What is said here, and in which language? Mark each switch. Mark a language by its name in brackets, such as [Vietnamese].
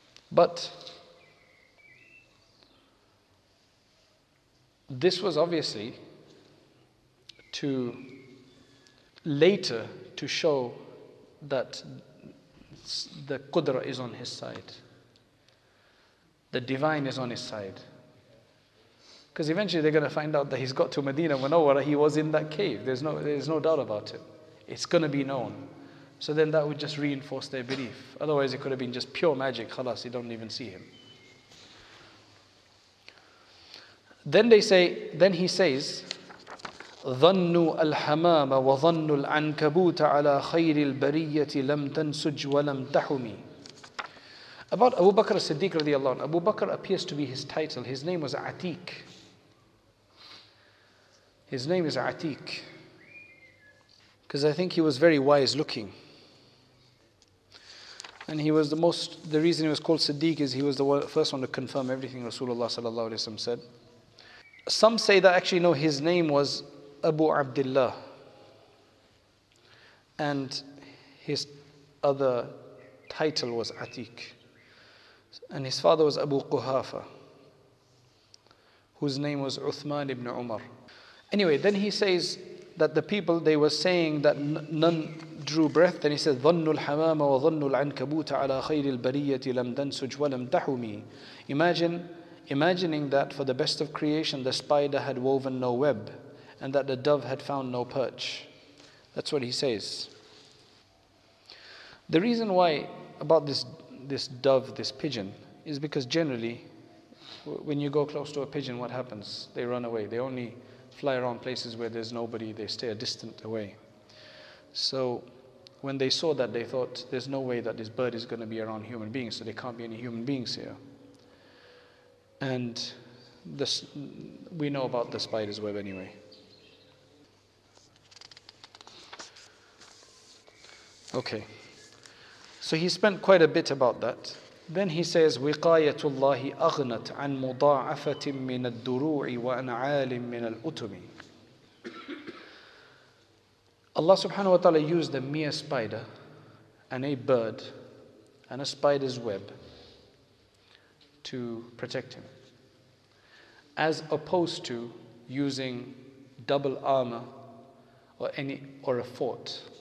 [English] But this was obviously to later to show that the Qudra is on his side, the Divine is on his side. Because eventually they're going to find out that he's got to Medina Munawwara, he was in that cave. There's no doubt about it. It's going to be known. So then that would just reinforce their belief. Otherwise it could have been just pure magic. Khalas, you don't even see him. Then they say, then he says, [Arabic] ظَنُّوا الْحَمَامَ وَظَنُّوا الْعَنْكَبُوتَ عَلَى خَيْرِ الْبَرِيَّةِ لَمْ تَنْسُجْ وَلَمْ تَحُمِي. [English] About Abu Bakr as-Siddiq radiallahu anhu, Abu Bakr appears to be his title. His name was Atiq. His name is Atiq. Because I think he was very wise looking. And he was the reason he was called Siddiq is he was the first one to confirm everything Rasulullah sallallahu alayhi wa sallam said. Some say that actually, no, his name was Abu Abdullah. And his other title was Atiq. And his father was Abu Quhafa, whose name was Uthman ibn Umar. Anyway, then he says that the people, they were saying that none drew breath. Then he says, [Arabic] ظَنُّ الْحَمَامَ وَظَنُّ الْعَنْكَبُوتَ عَلَىٰ خَيْرِ الْبَرِيَّةِ لَمْ تَنْسُجْ وَلَمْ تَحُمِي. [English] Imagining that for the best of creation, the spider had woven no web and that the dove had found no perch. That's what he says. The reason why about this dove, this pigeon, is because generally, when you go close to a pigeon, what happens? They run away. They only fly around places where there's nobody, they stay a distance away. So When they saw that, they thought, there's no way that this bird is going to be around human beings, so there can't be any human beings here. And this, we know about the spider's web anyway. Okay. So he spent quite a bit about that. Then he says, [Arabic] وِقَايَةُ أَغْنَتْ عَنْ مُضَاعَفَةٍ مِّنَ الدُّرُوعِ وَأَنْعَالٍ مِّنَ الْأُتُمِ. [English] Allah subhanahu wa ta'ala used a mere spider and a bird and a spider's web to protect him, as opposed to using double armor or a fort.